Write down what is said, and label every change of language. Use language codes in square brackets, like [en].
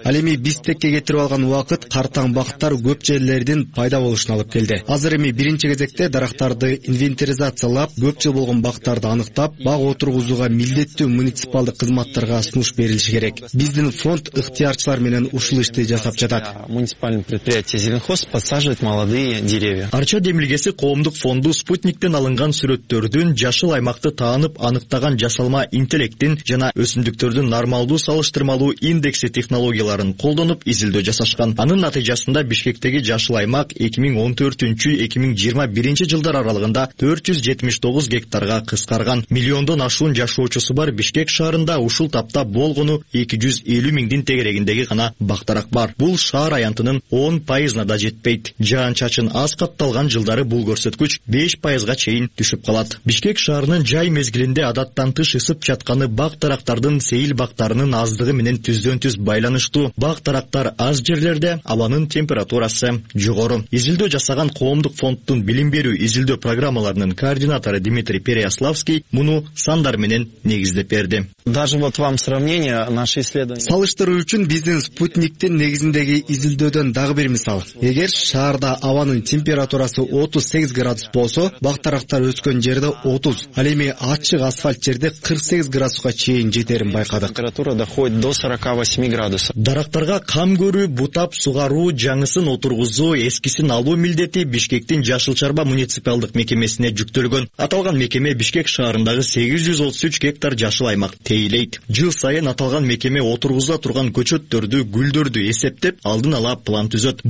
[ky] Ал эми бистекке кетирип алган убакыт картаң бактар көп жерлерде эрдин пайда болушун алып келди. Азыр эми биринчи кезекте дарактарды инвентаризациялап, көп жыл болгон бактарды аныктап, бак отургузууга милдеттүү муниципалдык кызматтарга сунуш берилиши керек. Биздин фонд ыктыярчылар менен ушул ишти жасап жатат. [ru] Муниципальный предприятие Зеленхоз посаживает молодые деревья. [ky] Арча демилгеси коомдук фонду спутниктен алынган сүрөттөрдүн жашыл аймакты таанып аныктаган жасалма интеллекттин жана өсүмдүктөрдүн нормалдуу салыштырмалуу индекси технологияларын колдонуп изилдөө жасашкан. Анын натыйжасында Бишкектеги жашыл аймак 2014-2021 жылдар аралыгында 479 гектарга кыскарган. Миллиондон ашуун жашоочусу бар Бишкек шаарында ушул тапта болгону 250 миңдин тегерегиндеги гана бактарак бар. Бул шаар аянтынын 10% да жетпейт. Жаан чачын аз капталган жылдары бул көрсөткүч 5% чейин түшүп калат. Бишкек шаарынын жай мезгилинде адаттан тыш ысып жатканы бак тарактардын сейил бактарынын аздыгы менен түздөн-түз байланыштуу. Бак тарактар аз жерлерде абанын температурасы жогору. Изилдөө жасаган коомдук фонддун билим берүү изилдөө программаларынын координатору Дмитрий Переяславский муну сандар менен негиздеп берди. [ru] Даже вот вам сравнение наше исследование. [ky] Салыштыруу үчүн биздин спутниктин негизиндеги изилдөөдөн дагы бир мисал. Эгер шаарда абанын температурасы 38 градус болсо, бак тарактар өскөн жерде 30, ал эми ачык асфальт жерде 48 градуска чейин жетерин байкадык. [ru] Температура доходит до 48 градусов. [ky] Дарактарга кам көрүү, бутап сугаруу, жаңысын отургузуу, эскисин алуу милдети Бишкектин жашыл чарба муниципалдык мекемесине жүктөлгөн. Аталган мекеме Бишкек шаарындагы 833 гектар жашыл аймак тейлейт. Жыл сайын аталган мекеме отургуза турган көчөттөрдү, гүлдөрдү эсептеп, алдын ала план түзөт.